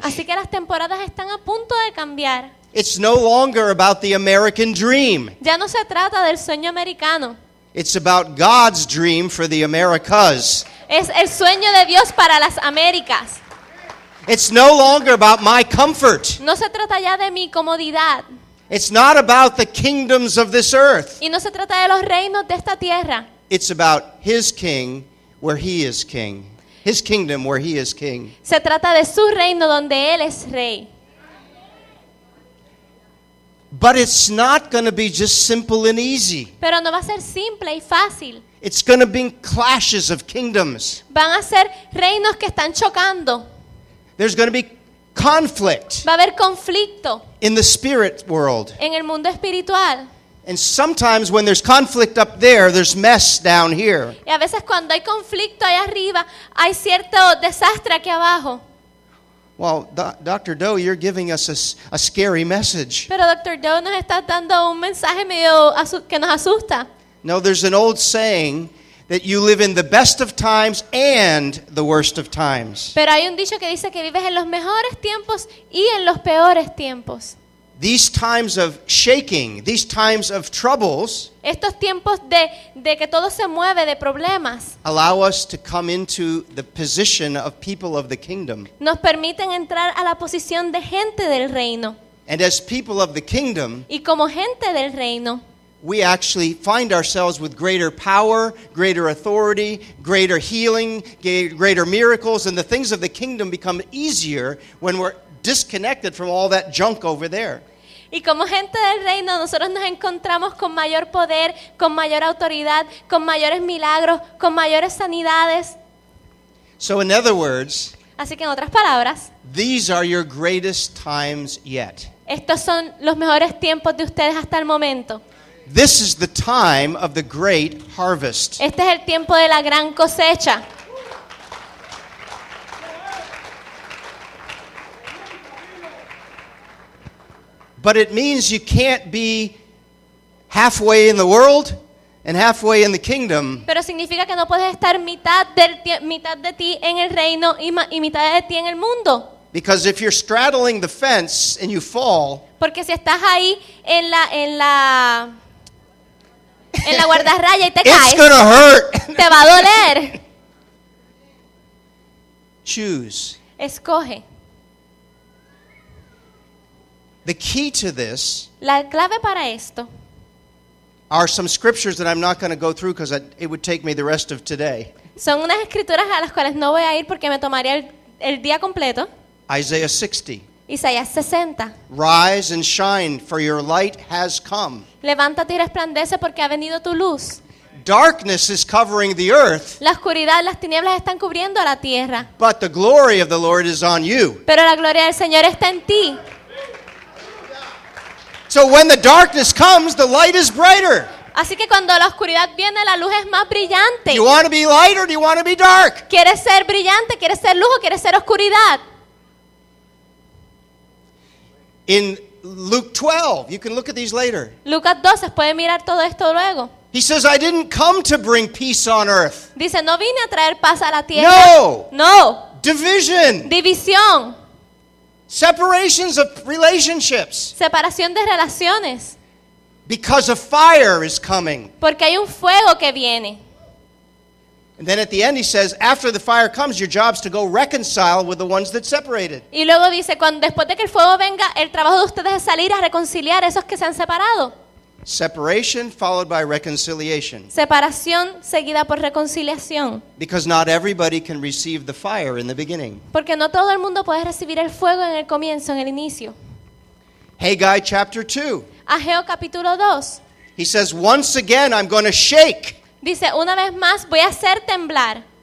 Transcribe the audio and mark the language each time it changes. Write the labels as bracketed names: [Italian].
[Spanish] Así que las temporadas están a punto de cambiar. [English] It's no longer about the American dream. [Spanish] Ya no se trata del sueño americano. [English] It's about God's dream for the Americas. [Spanish] Es el sueño de Dios para las Américas. [English] It's no longer about my comfort. [Spanish] No se trata ya de mi comodidad. [English] It's not about the kingdoms of this earth. [Spanish] Y no se trata de los reinos de esta tierra. [English] It's about his king where he is king. His kingdom where he is king. [Spanish] Se trata de su reino donde él es rey. [English] But it's not going to be just simple and easy. [Spanish] Pero no va a ser simple y fácil. [English] It's going to be clashes of kingdoms. [Spanish] Van a ser reinos que están chocando. [English] There's going to be conflict. [Spanish] Va a haber conflicto. [English] In the spirit world. [Spanish] En el mundo espiritual. [English] And sometimes when there's conflict up there, there's mess down here. [Spanish] Y a veces cuando hay conflicto ahí arriba, hay cierto desastre aquí abajo. [English] Well, Dr. Doe, you're giving us a scary message. [Spanish] Pero Dr. Doe nos está dando un mensaje medio que nos asusta. [English] No, there's an old saying that you live in the best of times and the worst of times. [Spanish] Pero hay un dicho que dice que vives en los mejores tiempos y en los peores tiempos. [English] These times of shaking, these times of troubles, [Spanish] estos tiempos de que todo se mueve, de problemas, [English] allow us to come into the position of people of the kingdom. [Spanish] Nos permiten entrar a la posición de gente del reino. [English] And as people of the kingdom, [Spanish] y como gente del reino, [English] we actually find ourselves with greater power, greater authority, greater healing, greater miracles, and the things of the kingdom become easier when we're disconnected from all that junk over there. [Spanish] Y como gente del reino, nosotros nos encontramos con mayor poder, con mayor autoridad, con mayores milagros, con mayores sanidades. [English] So in other words, [Spanish] así que en otras palabras, [English] these are your greatest times yet. [Spanish] Estos son los mejores tiempos de ustedes hasta el momento. [English] This is the time of the great harvest. [Spanish] Este es el tiempo de la gran cosecha. [English] But it means you can't be halfway in the world and halfway in the kingdom. [Spanish] Pero significa que no puedes estar mitad de ti en el reino y mitad de ti en el mundo. [English] Because if you're straddling the fence and you fall, [Spanish] porque si estás ahí en la guardarraya y te caes, [English] it's gonna hurt. [Spanish] Te va a doler. [English] Choose. [Spanish] Escoge. [English] The key to this, [Spanish] la clave para esto, [English] are some scriptures that I'm not going to go through because it would take me the rest of today. [Spanish] Son unas escrituras a las cuales no voy a ir porque me tomaría el día completo. [English] Isaiah 60. [Spanish] Isaías 60. [English] Rise and shine, for your light has come. [Spanish] Levántate y resplandece porque ha venido tu luz. [English] Darkness is covering the earth. [Spanish] La oscuridad, las tinieblas están cubriendo la tierra. [English] But the glory of the Lord is on you. [Spanish] Pero la gloria del Señor está en ti. [English] So when the darkness comes, the light is brighter. [Spanish] Así que cuando la oscuridad viene, la luz es más brillante. [English] Do you want to be light or do you want to be dark? [Spanish] ¿Quieres ser brillante? ¿Quieres ser luz o quieres ser oscuridad? [English] In Luke 12, you can look at these later. [Spanish] Lucas 12, puede mirar todo esto luego. [English] He says, I didn't come to bring peace on earth. [Spanish] Dice, no vine a traer paz a la tierra. [English] No. [Spanish] No. [English] Division. [Spanish] División. [English] Separations of relationships. [Spanish] Separación de relaciones. [English] Because a fire is coming. [Spanish] Porque hay un fuego que viene. [English] And then at the end he says, after the fire comes, your job is to go reconcile with the ones that separated. [Spanish] Y luego dice, cuando después de que el fuego venga, el trabajo de ustedes es salir a reconciliar a esos que se han separado. [English] Separation followed by reconciliation. [Spanish] Separación seguida por reconciliación. [English] Because not everybody can receive the fire in the beginning. [Spanish] Porque no todo el mundo puede recibir el fuego en el comienzo, en el inicio. [English] Haggai chapter 2. [Spanish] Ageo capítulo 2. [English] He says, once again I'm going to shake. [Spanish] Dice, una vez más voy a hacer temblar.